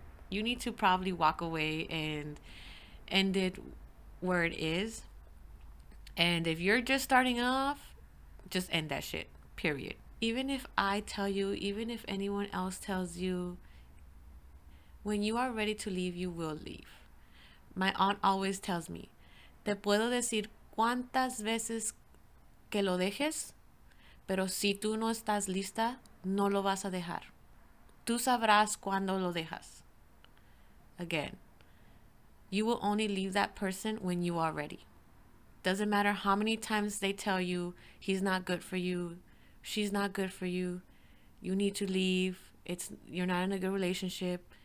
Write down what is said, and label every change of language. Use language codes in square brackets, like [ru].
[en] You need to probably walk away and end it where it is. And if you're just starting off, just end that shit, period. Even if I tell you, even if anyone else tells you, when you are ready to leave, you will leave. My aunt always tells me, [es] te puedo decir cuántas veces que lo dejes, pero si tú no estás lista, no lo vas a dejar. Tú sabrás cuándo lo dejas. [en] Again, you will only leave that person when you are ready. Doesn't matter how many times they tell you he's not good for you, she's not good for you, you need to leave, you're not in a good relationship.